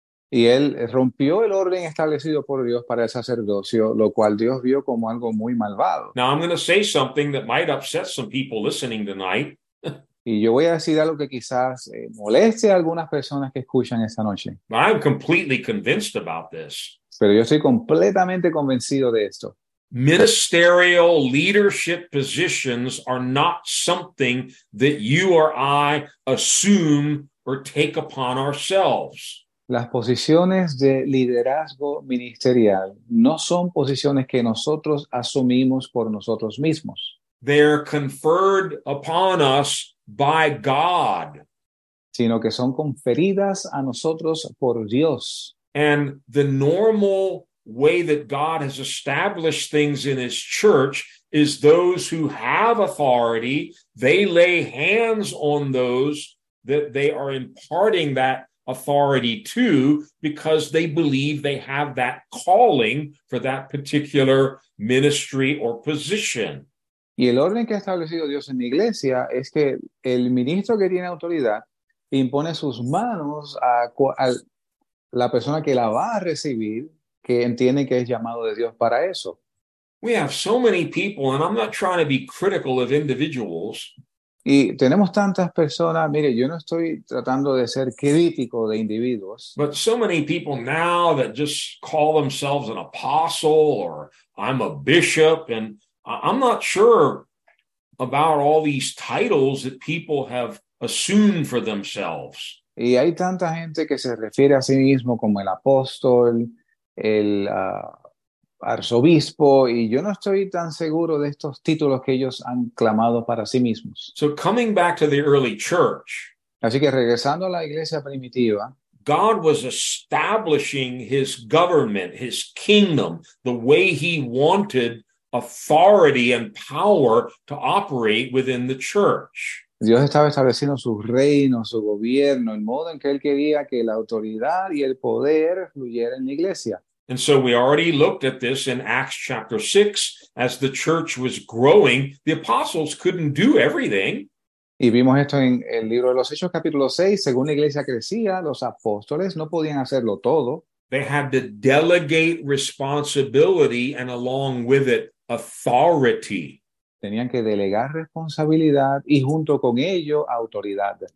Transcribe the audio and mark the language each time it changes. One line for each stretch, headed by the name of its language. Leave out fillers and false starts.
Spanish: Y él rompió el orden establecido por Dios para el sacerdocio, lo cual Dios vio como algo muy malvado.
English: Now I'm going to say something that might upset some people listening tonight.
Spanish: Y yo voy a decir algo que quizás moleste a algunas personas que escuchan esta noche.
English: I'm completely convinced about this.
Spanish: Pero yo estoy completamente convencido de esto.
English: Ministerial leadership positions are not something that you or I assume or take upon ourselves.
Spanish: Las posiciones de liderazgo ministerial no son posiciones que nosotros asumimos por nosotros mismos.
English: They're conferred upon us by God.
Spanish: Sino que son conferidas a nosotros por Dios.
English: And the normal way that God has established things in his church is those who have authority, they lay hands on those that they are imparting that authority to, because they believe they have that calling for that particular ministry or position.
Spanish: Y el orden que ha establecido Dios en la iglesia es que el ministro que tiene autoridad impone sus manos a la persona que la va a recibir, que entiende que es llamado de Dios para eso.
English: We have so many people, and I'm not trying to be critical of individuals.
Spanish: Y tenemos tantas personas, mire, yo no estoy tratando de ser crítico de individuos.
English: But so many people now that just call themselves an apostle or I'm a bishop, and I'm not sure about all these titles that people have assumed for themselves.
Spanish: Y hay tanta gente que se refiere a sí mismo como el apóstol, el arzobispo, y yo no estoy tan seguro de estos títulos que ellos han clamado para sí mismos.
English: So coming back to the early church,
Spanish: Así que regresando a la iglesia primitiva,
English: God was establishing his government, his kingdom, the way he wanted authority and power to operate within the church.
Spanish: Dios estaba estableciendo su reino, su gobierno, el modo en que él quería que la autoridad y el poder fluyera en la iglesia.
English: And so we already looked at this in Acts chapter 6. As the church was growing, the apostles couldn't do everything.
Spanish: Y vimos esto en el libro de los Hechos, capítulo 6. Según la iglesia crecía, los apóstoles no podían hacerlo todo.
English: They had to delegate responsibility and along with it, authority.
Spanish: Tenían que delegar responsabilidad y junto con ello, autoridad.